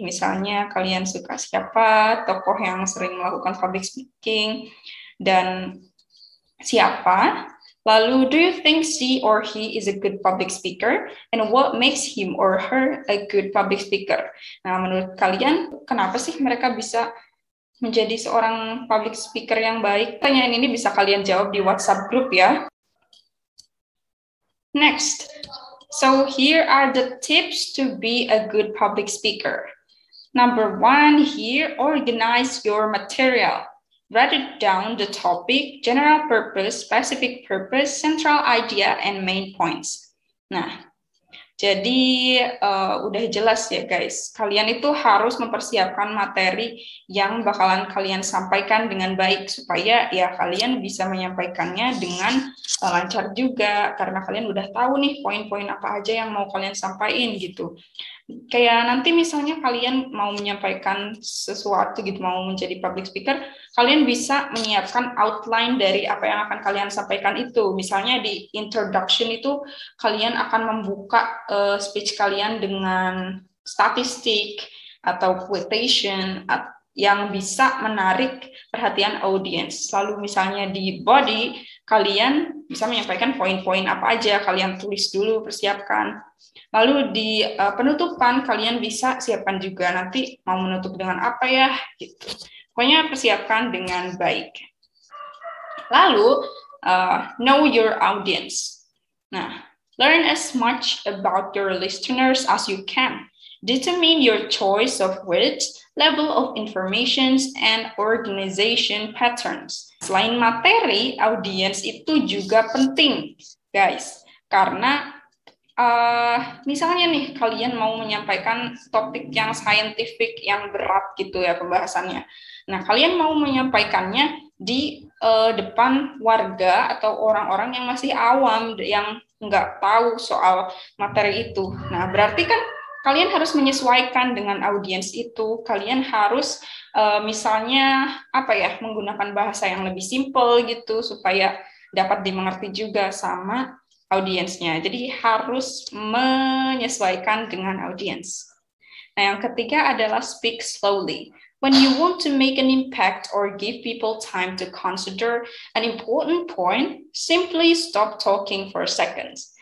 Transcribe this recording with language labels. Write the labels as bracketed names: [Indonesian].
[Indonesian] Misalnya kalian suka siapa, tokoh yang sering melakukan public speaking, dan siapa? Lalu, [English] do you think she or he is a good public speaker? And what makes him or her a good public speaker? [Indonesian] Nah, menurut kalian, kenapa sih mereka bisa menjadi seorang public speaker yang baik? Pertanyaan ini bisa kalian jawab di WhatsApp group ya. [English] Next. So here are the tips to be a good public speaker. Number one here, organize your material. Write down the topic, general purpose, specific purpose, central idea, and main points. [Indonesian] Nah, jadi udah jelas ya guys, kalian itu harus mempersiapkan materi yang bakalan kalian sampaikan dengan baik supaya ya kalian bisa menyampaikannya dengan lancar juga, karena kalian udah tahu nih poin-poin apa aja yang mau kalian sampaikan gitu. Kayak nanti misalnya kalian mau menyampaikan sesuatu gitu, mau menjadi public speaker, kalian bisa menyiapkan outline dari apa yang akan kalian sampaikan itu. Misalnya di introduction itu kalian akan membuka speech kalian dengan statistik atau quotation yang bisa menarik perhatian audience. Lalu misalnya di body, kalian bisa menyampaikan poin-poin apa aja, kalian tulis dulu, persiapkan. Lalu di penutupan, kalian bisa siapkan juga nanti mau menutup dengan apa ya, gitu. Pokoknya persiapkan dengan baik. [English] Lalu, know your audience. Nah, learn as much about your listeners as you can. Determine your choice of words, level of information, and organization patterns. [Indonesian] Selain materi, audience itu juga penting, guys. Karena misalnya nih, kalian mau menyampaikan topik yang scientific, yang berat gitu ya pembahasannya. Nah, kalian mau menyampaikannya di depan warga atau orang-orang yang masih awam, yang nggak tahu soal materi itu. Nah, berarti kan kalian harus menyesuaikan dengan audiens itu. Kalian harus misalnya apa ya, menggunakan bahasa yang lebih simple gitu supaya dapat dimengerti juga sama audiensnya. Jadi harus menyesuaikan dengan audiens. Nah, yang ketiga adalah [English] speak slowly. When you want to make an impact or give people time to consider an important point, simply stop talking for a second.